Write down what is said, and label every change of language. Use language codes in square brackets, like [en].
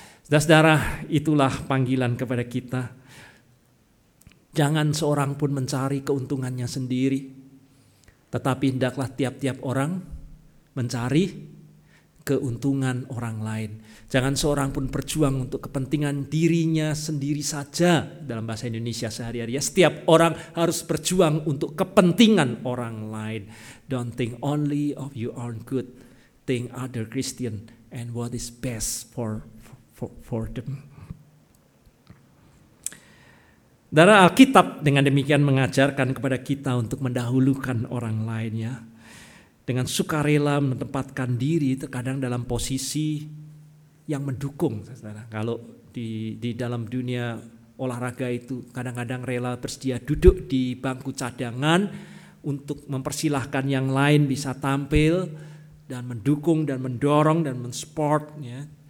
[id] Saudara, itulah panggilan kepada kita. Jangan seorang pun mencari keuntungannya sendiri, tetapi hendaklah tiap-tiap orang mencari keuntungan orang lain. Jangan seorang pun berjuang untuk kepentingan dirinya sendiri saja, dalam bahasa Indonesia sehari-hari. Setiap orang harus berjuang untuk kepentingan orang lain. [en] Don't think only of your own good. Think other Christian and what is best for them. [id] Dari Alkitab dengan demikian mengajarkan kepada kita untuk mendahulukan orang lainnya, dengan sukarela menempatkan diri terkadang dalam posisi yang mendukung. Kalau di dalam dunia olahraga itu kadang-kadang rela bersedia duduk di bangku cadangan untuk mempersilahkan yang lain bisa tampil, dan mendukung dan mendorong dan mensupport ya.